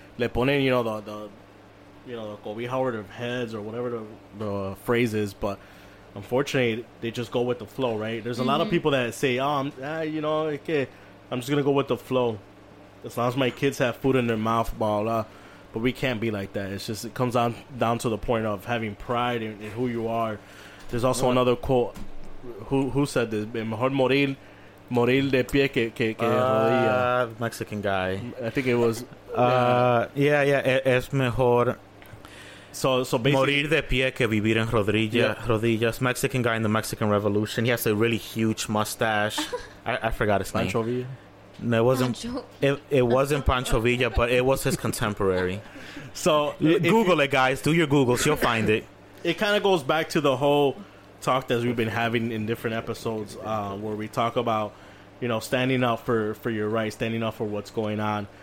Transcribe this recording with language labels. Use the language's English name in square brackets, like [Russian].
[Spanish] Le ponen, [English] you know, the Kobe Howard of heads or whatever the phrase is, but unfortunately, they just go with the flow, right? There's a lot of people that say, I'm just going to go with the flow. As long as my kids have food in their mouth, blah, blah, blah. But we can't be like that. It's just, it comes down to the point of having pride in who you are. There's also another quote. Who said this? [Spanish] Mejor morir de pie que rodilla. [English] Mexican guy. I think it was... [Spanish] es mejor [English] so basically, [Spanish] morir de pie que vivir en rodillas. [English] Mexican guy in the Mexican Revolution. He has a really huge mustache. I forgot his Pancho name. Villa? No, it wasn't Pancho Villa, but it was his contemporary. So Google it, guys. Do your Googles. You'll find it. It kind of goes back to the whole talk that we've been having in different episodes, where we talk about, you know, standing up for your rights, standing up for what's going on.